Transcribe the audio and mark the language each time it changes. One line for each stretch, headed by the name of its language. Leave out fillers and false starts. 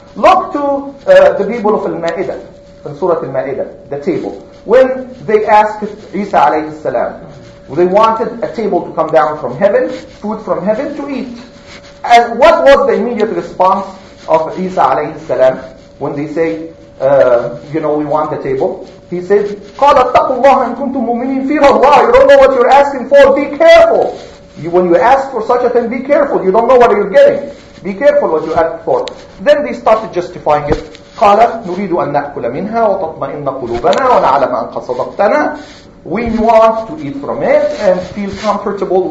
English: Look to the people of Al-Ma'idah, in Surah Al-Ma'idah, the table. When they asked Isa alayhi salam, they wanted a table to come down from heaven, food from heaven to eat. And what was the immediate response of Isa alayhi salam when they say, we want a table? He said,
Arabic: قَالَ اتَّقُوا اللَّهَ إِن كُنْتُم مُؤْمِنِينَ فِيهَا اللَّهِ.
English: You don't know what you're asking for, be careful. When you ask for such a thing, be careful. You don't know what you're getting. Be careful what you ask for. Then they started justifying it.
Arabic: قَالَ نُرِيدُ أَن نَأْكُلَ مِنْهَا وَتَطْمَئِنَّ قُلُوبَنَا وَنَعْلَمَ أَن قَدْ صَدَقْتَنَا.
English: We want to eat from it and feel comfortable.